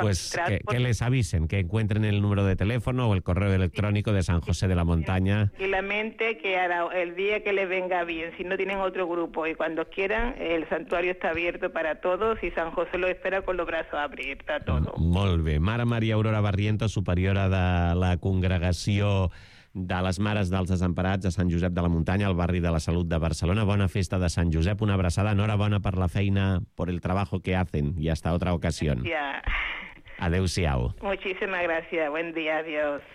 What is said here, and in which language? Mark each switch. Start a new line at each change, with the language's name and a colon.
Spanish: Pues que les avisen, que encuentren el número de teléfono o el correo electrónico de San José de la Montaña. Y la mente que hará el día que les venga bien, si no tienen otro grupo, y cuando quieran, el santuario está abierto para todos y San José lo espera con los brazos abiertos a todos.
Catalan: Molt bé. Mare María Aurora Barrientos, superiora de la congregació de les Mares dels Desemparats a Sant Josep de la Muntanya, al barri de la Salut de Barcelona. Bona festa de Sant Josep, una abraçada, enhorabona per la feina, per
Spanish: el trabajo que hacen,
Catalan: i
Spanish: hasta otra ocasión.
Catalan: Adéu-siau.
Spanish: Muchísimas gracias, buen día, adiós.